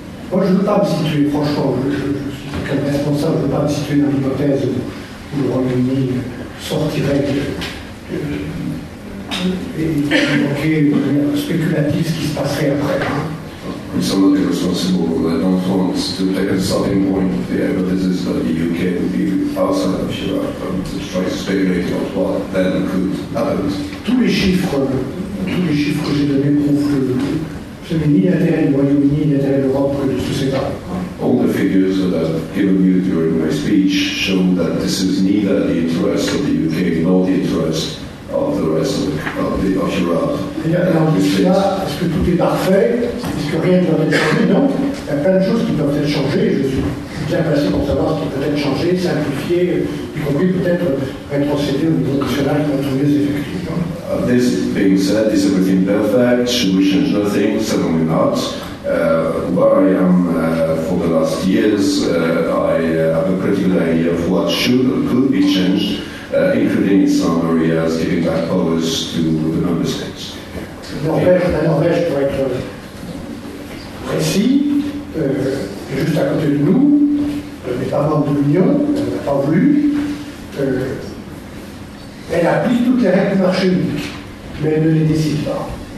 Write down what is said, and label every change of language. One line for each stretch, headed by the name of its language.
French: Moi, je ne veux pas me situer, franchement, je suis responsable, je ne veux pas me situer dans l'hypothèse où le Royaume-Uni sortirait et évoquer un spéculatif ce qui se passerait après. Hein.
English: I'm somebody responsible for that. I don't want to take a starting point of the hypothesis that the UK would be outside of Chirac and to try to speculate on what then could happen.
French: Tous les chiffres que j'ai donnés prouvent que ce n'est ni l'intérêt du Royaume-Uni, ni l'intérêt de l'Europe que de tout cela.
English: All the figures that I've given you during my speech show that this is neither the interest of the UK nor the interest of the rest of the Chirac.
French: Est-ce que tout est parfait? Est-ce que rien ne doit être changé? Non. Il y a plein de choses qui peuvent être changées. Je suis bien placé pour savoir ce qui peut être changé, simplifié, y compris peut-être rétrocéder au niveau national pour être mieux effectif.
English: This being said, is everything perfect? Should we change nothing? Certainly not. Where I am for the last years, I have a critical idea of what should or could be changed, including in some areas, giving back powers to the member states.
French: La Norvège, pour être précis, juste à côté de nous, n'est pas membre de l'Union, elle n'a pas voulu, elle applique toutes les règles du marché unique, mais elle ne les décide pas.